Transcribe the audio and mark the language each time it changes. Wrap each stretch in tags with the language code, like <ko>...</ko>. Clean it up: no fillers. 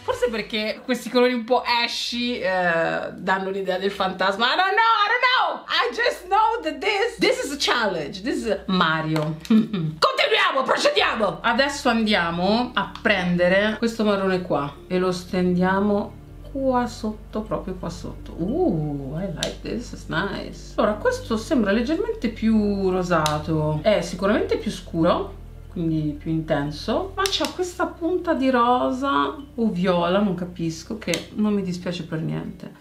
<it>Perché questi colori un po' ashy danno l'idea del fantasma.</it> <en>I don't know. I just know that this is a challenge. This is Mario.</en> <it>Continuiamo, procediamo. Adesso andiamo a prendere questo marrone qua e lo stendiamo qua sotto, proprio qua sotto.</it> <en>I like this, it's nice.</en> <it>Allora, questo sembra leggermente più rosato. È sicuramente più scuro, quindi più intenso, ma c'ha questa punta di rosa o viola, non capisco, che non mi dispiace per niente.</it>